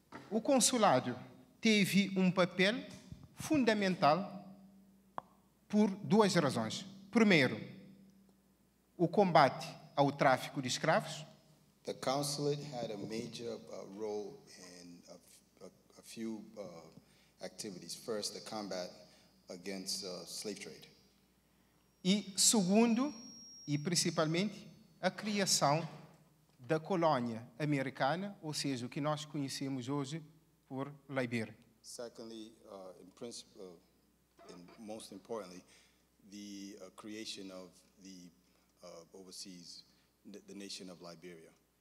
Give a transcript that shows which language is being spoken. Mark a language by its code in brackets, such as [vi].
[pt] O consulado teve papel fundamental por duas razões. Primeiro, o combate ao tráfico de escravos. [en] The consulate had a major role in a few activities. First, the combat against slave trade. [pt] E segundo, e principalmente, a criação da colônia americana, ou seja, o que nós conhecemos hoje por Liberia. [en] Secondly, in principle, and most importantly, the creation of the overseas, the nation of Liberia.